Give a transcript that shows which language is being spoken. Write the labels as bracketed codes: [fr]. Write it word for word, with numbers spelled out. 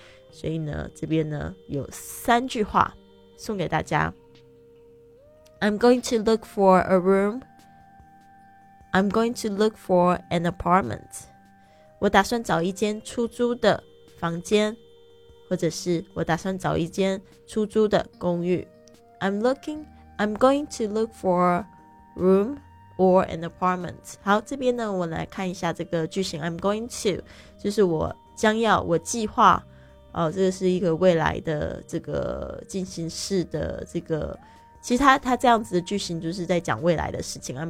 [zh] 所以呢这边呢有三句话送给大家。 [en] I'm going to look for a room. I'm going to look for an apartment. [zh] 我打算找一间出租的房间，或者是我打算找一间出租的公寓。 [en] I'm looking I'm going to look for a room or an apartment. [zh] 好，这边呢，我来看一下这个句型。 [en] I'm going to [zh] 就是我将要，我计划。哦，这个是一个未来的这个进行式的这个，其实它它这样子的句型就是在讲未来的事情。